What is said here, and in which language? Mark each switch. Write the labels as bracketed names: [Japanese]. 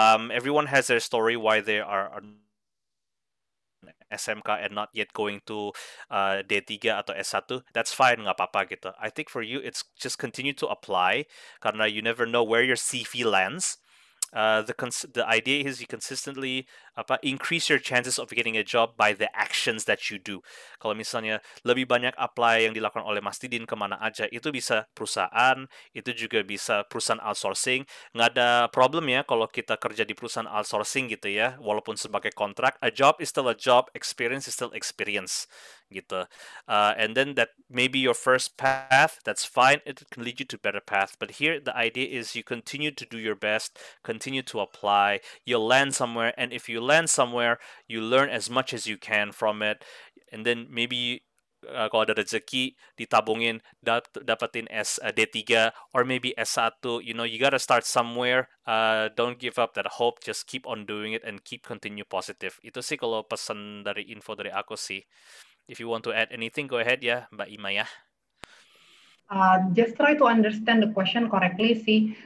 [English] Everyone has their story why they are SMK and not yet going to D3 atau S1, that's fine, [Indonesian] nggak apa-apa gitu. [English] I think for you, it's just continue to apply karena you never know where your CV lands. The idea is you consistently increase your chances of getting a job by the actions that you do. [Indonesian] Kalau misalnya lebih banyak apply yang dilakukan oleh Mas Didin kemana aja, itu bisa perusahaan, itu juga bisa perusahaan outsourcing. Nggak ada problem ya kalau kita kerja di perusahaan outsourcing gitu ya, walaupun sebagai kontrak, [English] a job is still a job, experience is still experience [Indonesian] gitu. [English] And then that maybe your first path, that's fine, it can lead you to better path. But here the idea is you continue to do your best, continue to apply, you'll land somewhere, and if you land somewhere, you learn as much as you can from it, and then maybe [Indonesian] kalau ada rezeki ditabungin dapetin D3 [English] or maybe S1, you know, you gotta start somewhere. Don't give up that hope, just keep on doing it and keep continue positive. [Indonesian] Itu sih kalau pesan dari info dari aku sih. [English] If you want to add anything, go ahead ya, Mbak Ima ya. Just try to understand the question correctly sih.